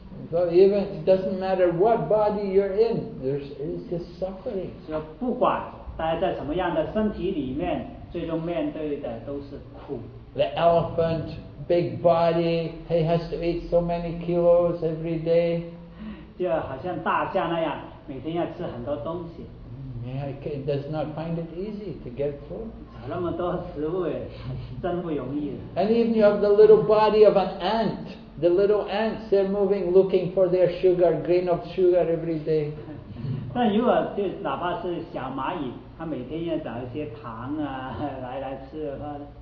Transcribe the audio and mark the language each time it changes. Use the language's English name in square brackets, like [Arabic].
[English] So even it doesn't matter what body you're in, there's just suffering. [Chinese] 所以不管大家在什么样的身体里面，最终面对的都是苦。 [English] The elephant, big body, he has to eat so many kilos every day. [Chinese] 就好像大象那样，每天要吃很多东西。 [English] Yeah, it does not find it easy to get food. [Chinese] 找那么多食物哎，真不容易。 [English] And even you have the little body of an ant, the little ants, they're moving, looking for their sugar, grain of sugar every day. [Chinese] 但如果就哪怕是小蚂蚁，他每天要找一些糖啊来吃的话。